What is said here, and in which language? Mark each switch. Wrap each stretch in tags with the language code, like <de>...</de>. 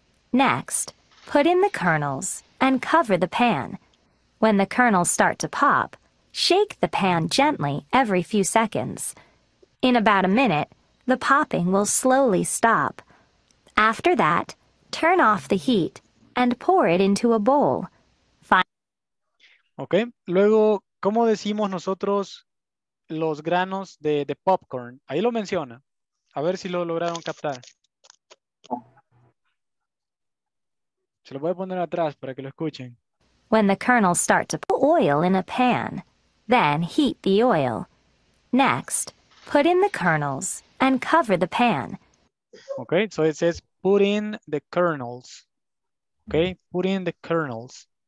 <en>Next, put in the kernels and cover the pan. When the kernels start to pop, shake the pan gently every few seconds. In about a minute, the popping will slowly stop. After that, turn off the heat and pour it into a bowl.</en> <es>Okay, luego, ¿cómo decimos nosotros los granos de popcorn? Ahí lo menciona. A ver si lo lograron captar. Se lo voy a poner atrás para que lo escuchen.</es> <en>When the kernels start to put oil in a pan, then heat the oil. Next, put in the kernels and cover the pan. Okay, so it says put in the kernels. Okay, put in the kernels.</en>